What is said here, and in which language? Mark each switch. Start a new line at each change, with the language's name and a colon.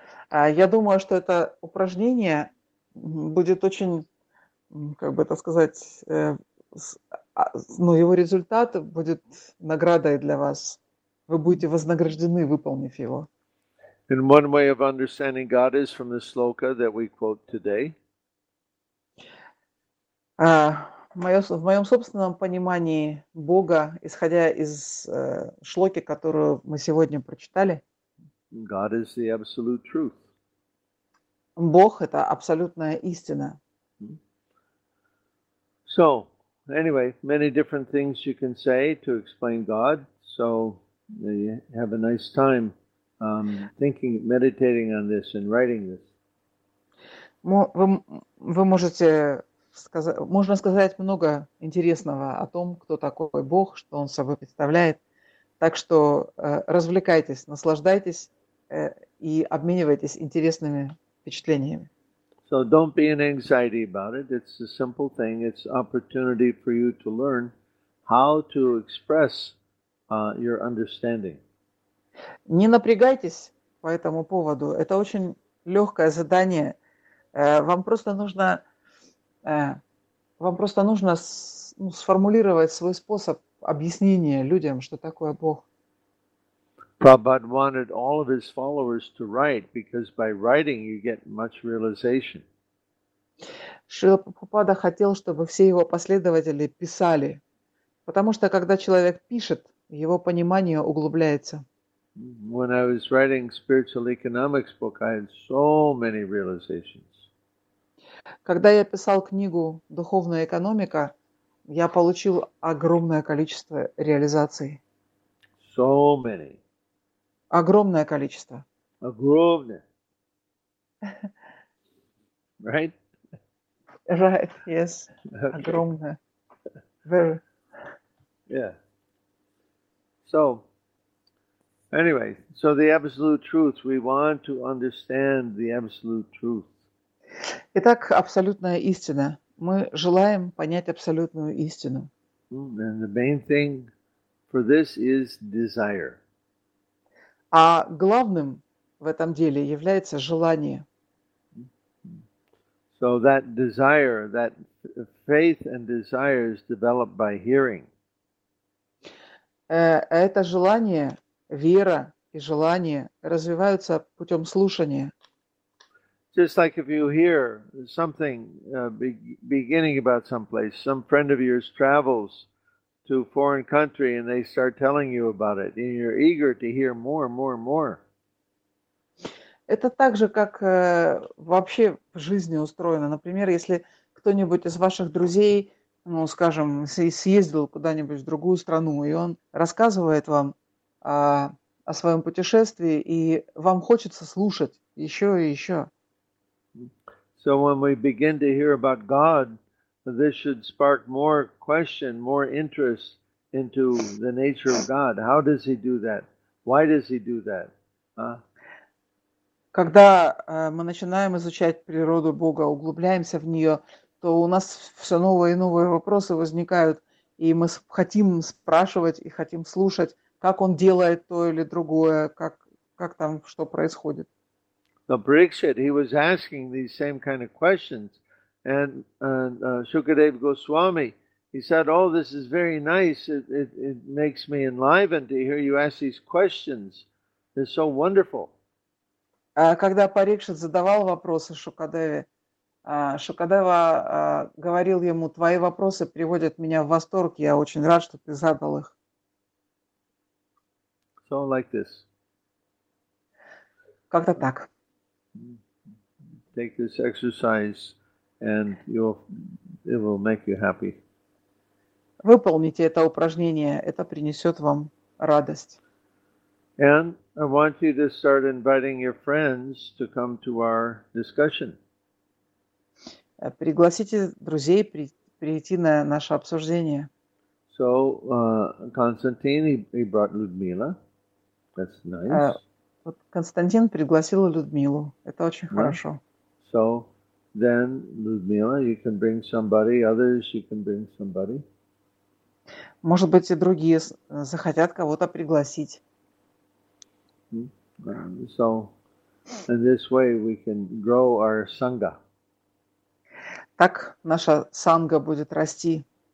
Russian: Я думаю, что это упражнение будет очень, как бы это сказать, его результат будет наградой для вас. Вы будете вознаграждены, выполнив его.
English: And one way of understanding God is from the sloka that we quote today.
Russian: В моем собственном понимании Бога, исходя из шлоки, которую мы сегодня прочитали,
English: God is the absolute truth.
Russian: Бог — это абсолютная истина.
English: So, anyway, many different things you can say to explain God. So, you have a nice time thinking, meditating on this and writing this.
Russian: Вы можете сказать, можно сказать много интересного о том, кто такой Бог, что он собой представляет. Так что развлекайтесь, наслаждайтесь и обменивайтесь интересными впечатлениями.
English: So don't be in anxiety about it. It's a simple thing. It's opportunity for you to learn how to express your understanding.
Russian: Не напрягайтесь по этому поводу. Это очень легкое задание. Вам просто нужно сформулировать свой способ объяснения людям, что такое Бог.
English: Prabhupada wanted all of his followers to write, because by writing you get much realization.
Russian: Шрила Прабхупада хотел, чтобы все его последователи писали, потому что когда человек пишет, его понимание углубляется.
English: When I was writing spiritual economics book, I had so many realizations.
Russian: Когда я писал книгу «Духовная экономика», я получил огромное количество реализаций.
English: So many.
Russian: Огромное количество. Огромное.
English: right? Right, yes. Okay.
Russian: Огромное.
English: Very. Yeah. So, anyway, so the absolute truth, we want to understand the absolute truth.
Russian: Итак, абсолютная истина. Мы желаем понять абсолютную истину.
English: And the main thing for this is desire.
Russian: А главным в этом деле является желание.
English: So that desire, that faith and desire is developed by hearing.
Russian: Это желание, вера и желание развиваются путем слушания.
English: Just like if you hear something beginning about some place, some friend of yours travels to a foreign country and they start telling you about it, and you're eager to hear more and more and more.
Russian: Это так же, как вообще в жизни устроено. Например, если кто-нибудь из ваших друзей, ну, скажем, съездил куда-нибудь в другую страну, и он рассказывает вам о своем путешествии, и вам хочется слушать еще и еще.
English: So when we begin to hear about God, this should spark more question, more interest into the nature of God. How does he do that? Why does he do that?
Russian: Когда мы начинаем изучать природу Бога, углубляемся в нее, то у нас все новые и новые вопросы возникают, и мы хотим спрашивать и хотим слушать, как он делает то или другое, как там, что происходит.
English: The Parikshit, he was asking these same kind of questions, and Shukadev Goswami, he said, "Oh, this is very nice. It makes me enlivened to hear you ask these questions. It's so wonderful."
Russian: Когда Парикшит задавал вопросы Шукадеве, Шукадева говорил ему, твои вопросы приводят меня в восторг, я очень рад, что ты задал их.
English: So like this.
Russian: Как-то так.
English: Take this exercise and it will make you happy.
Russian: Выполните это упражнение, это принесет вам радость.
English: And I want you to start inviting your friends to come to our discussion.
Russian: Пригласите друзей прийти на наше обсуждение.
English: So, Konstantin, he brought Людмила. That's nice.
Russian: Вот Константин пригласил Людмилу. Это очень yeah. хорошо.
English: So, then, Людмила, you can bring somebody. Others, you can bring somebody.
Russian: Может быть, и другие захотят кого-то пригласить.
English: So, in this way, we can grow our sangha.
Russian: Так наша санга будет расти.